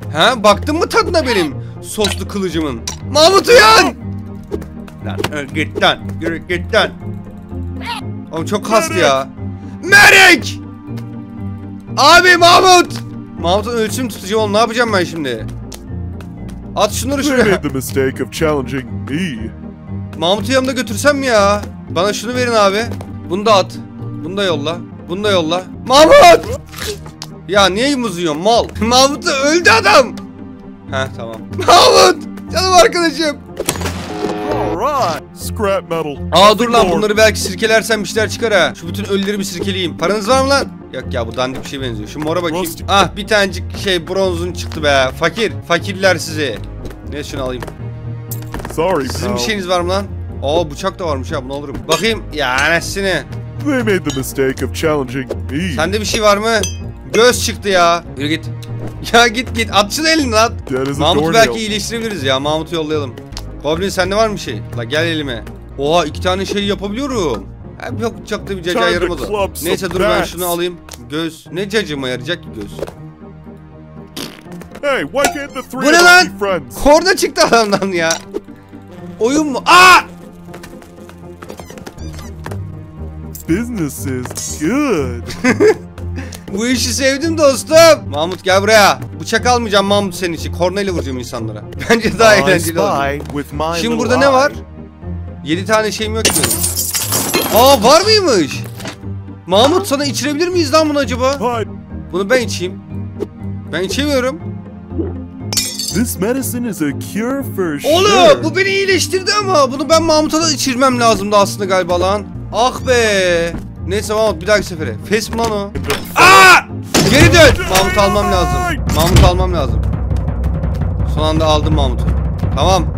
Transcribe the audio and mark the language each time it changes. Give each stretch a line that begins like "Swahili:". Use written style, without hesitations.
Turkish: He? Baktın mı tadına benim? Soslu kılıcımın. Mahmut uyan! Lan git lan. Yürü git lan. Oğlum çok kastı ya. Merik! Abi Mahmut! Mahmut'un ölçüm tutucu oğlum, ne yapacağım ben şimdi? At şunları şuraya.
English: They made the mistake of challenging me.
Turkish: Mahmut'u yanımda götürsem mi ya? Bana şunu verin abi. Bunu da at. Bunu da yolla. Bunu da yolla. Mahmut! Ya niye yumuzuyorsun mal? Mahmut'u öldü adam! Heh tamam. Mahmut! Canım arkadaşım!
English: All right. Scrap metal.
Turkish: Aa dur lan, bunları belki sirkelersem işler çıkar ha. Şu bütün ölüleri bir sirkeleyeyim. Paranız var mı lan? Yok ya, bu dandik bir şey benziyor. Şu mora bakayım. Rusty. Ah, bir tanecik şey bronzun çıktı be. Fakir. Fakirler sizi. Neyse şunu alayım.
English: Sorry,
Turkish: sizin bir şeyiniz var mı lan? Aa bıçak da varmış ha, bunu alırım. Bakayım. Ya anasını.
English: They made the mistake of challenging me.
Turkish: Sende bir şey var mı? Göz çıktı ya. Yürü git. Ya git git. At şunu elini lan. Mahmut'u belki iyileştirebiliriz ya. Mahmut'u yollayalım. Goblin sende var mı bir şey? La gel elime. Oha, iki tane şey yapabiliyorum. Yok çakta bir caca yaramadı. Neyse dur ben şunu alayım. Göz. Ne cacıma yarayacak ki göz?
English: Hey, why can't the three
Turkish: bu ne lan? Korna çıktı adamdan ya. Oyun mu? Aa!
English: Business is good.
Turkish: Bu işi sevdim dostum. Mahmut gel buraya. Bıçak almayacağım Mahmut senin için. Kornayla vuracağım insanlara. Bence daha eğlenceli olur. Şimdi burada ne var? 7 tane şeyim yok mu? Aa var mıymış? Mahmut sana içirebilir miyiz lan bunu acaba? Bunu ben içeyim. Ben içemiyorum.
English: This medicine is a cure for sure.
Turkish: Oğlum bu beni iyileştirdi ama. Bunu ben Mahmut'a da içirmem lazımdı aslında galiba lan. Ah be. Neyse Mahmut bir dahaki sefere. Fesim lan o. Aa! Geri dön. Mahmut almam lazım. Mahmut almam lazım. Son anda aldım Mahmut'u. Tamam.